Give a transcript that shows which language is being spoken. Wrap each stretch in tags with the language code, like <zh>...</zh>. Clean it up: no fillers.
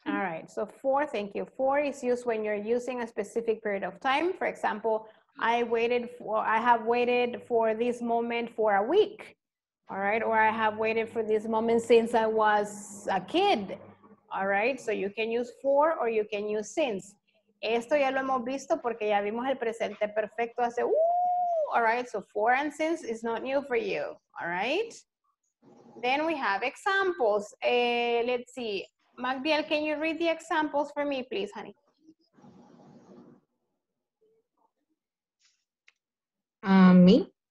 <en>All right. So for, thank you. For is used when you're using a specific period of time. For example, I have waited for this moment for a week, all right? Or I have waited for this moment since I was a kid, all right? So you can use for or you can use since.</en> <es>Esto ya lo hemos visto porque ya vimos el presente perfecto hace,</es> <en>all right? So for and since is not new for you, all right? Then we have examples. Let's see. Magdiel, can you read the examples for me, please, honey? Me?</en>